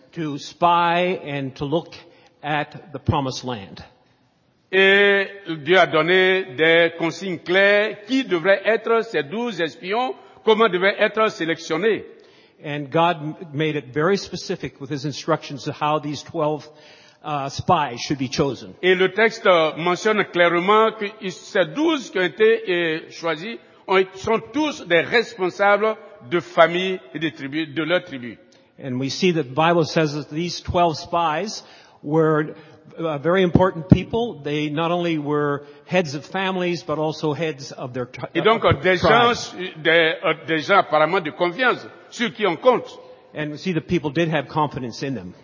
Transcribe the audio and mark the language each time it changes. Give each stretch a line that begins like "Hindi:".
English: To spy and to look at the promised land.
French: Et Dieu a donné des consignes claires qui devraient être ces 12 espions, comment devaient être sélectionnés.
English: And God made it very specific with his instructions of how these 12 spies should be chosen.
French: Et le texte mentionne clairement que ces 12 qui ont été choisis sont tous des responsables de familles et de tribus, de leur tribu.
English: And we see that the Bible says that these 12 spies were very important people. They not only were heads of families, but also heads of their tribes.
French: Et donc, des gens apparemment de confiance, ceux qui en comptent.
English: And we see the people did have confidence in them.